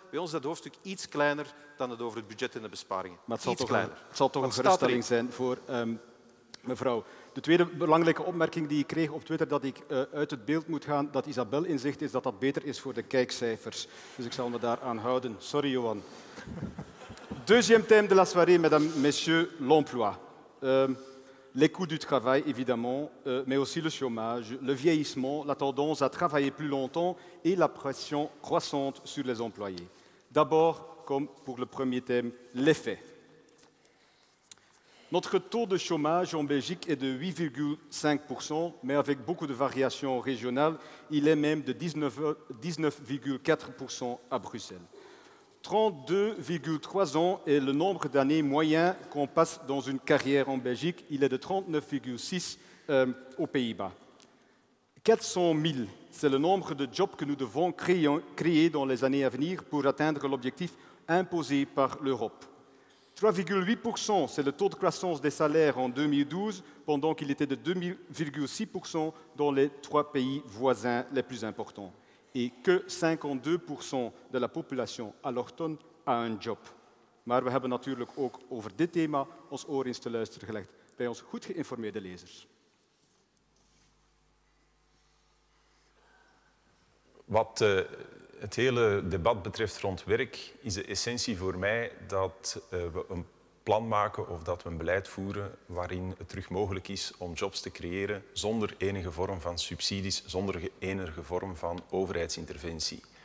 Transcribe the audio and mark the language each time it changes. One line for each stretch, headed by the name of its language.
Dutch: Bij ons is dat hoofdstuk iets kleiner dan het over het budget en de besparingen. Maar het zal toch een geruststelling zijn voor mevrouw. De tweede belangrijke opmerking die ik kreeg op Twitter, dat ik uit het beeld moet gaan, dat Isabel inzicht is dat dat beter is voor de kijkcijfers. Dus ik zal me daar aan houden. Sorry, Johan.
French: Deuxième thème de la soirée, madame, monsieur, l'emploi. Les coûts du travail, évidemment, mais aussi le chômage, le vieillissement, la tendance à travailler plus longtemps et la pression croissante sur les employés. D'abord, comme pour le premier thème, l'effet. Notre taux de chômage en Belgique est de 8,5%, mais avec beaucoup de variations régionales, il est même de 19,4% à Bruxelles. 32,3 ans est le nombre d'années moyen qu'on passe dans une carrière en Belgique. Il est de 39,6 aux Pays-Bas. 400 000, c'est le nombre de jobs que nous devons créer dans les années à venir pour atteindre l'objectif imposé par l'Europe. 3,8%, c'est le taux de croissance des salaires en 2012, pendant qu'il était de 2,6% dans les trois pays voisins les plus importants. Et que 52% de la population allochtone a un job.
Dutch: Maar we hebben natuurlijk ook over dit thema ons oor eens te luisteren gelegd bij ons goed geïnformeerde lezers. Wat het hele debat betreft rond werk, is de essentie voor mij dat we een plan maken of dat we een beleid voeren waarin het terug mogelijk is om jobs te creëren zonder enige vorm van subsidies, zonder enige vorm van overheidsinterventie.